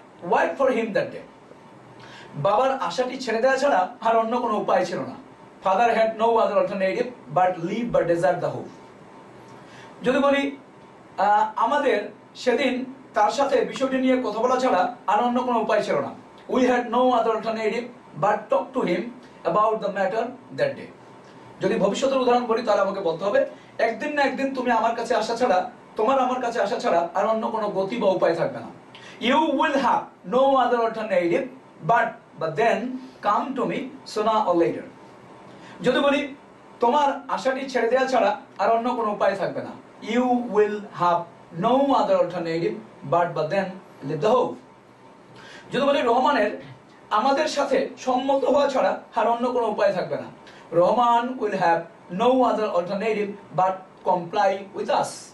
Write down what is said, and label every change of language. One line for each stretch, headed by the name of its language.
English: wait for him that day,
Bangla: বাবার আশাটি ছেড়ে দেওয়া ছাড়া আর অন্য কোনো উপায় ছিল না,
English: father had no other alternative but leave বা desert the hope,
Bangla: যদি বলি আমাদের সেদিন তার সাথে বিষয়টি নিয়ে কথা বলা ছাড়া আর অন্য কোনো উপায় ছিল না,
English: we had no other alternative but talk to him about the matter that day,
Bangla: যদি ভবিষ্যতের উদাহরণ বলি তাহলে আমাকে বলতে হবে একদিন না একদিন তুমি আমার কাছে আসা ছাড়া, তোমার আমার কাছে আসা ছাড়া আর অন্য কোনো গতি বা উপায় থাকবে না,
English: You will have no other alternative but then come to me sooner or later.
Bangla: যদি বলি তোমার আশাটি ছেড়ে দেওয়া ছাড়া আর অন্য কোনো উপায় থাকবে না,
English: You will have no other alternative but then leave the hope.
Bangla: যদি বলি রহমানের আমাদের সাথে সম্মত হওয়া ছাড়া আর অন্য কোনো উপায় থাকবে না,
English: Rahman will have no other alternative but comply with us.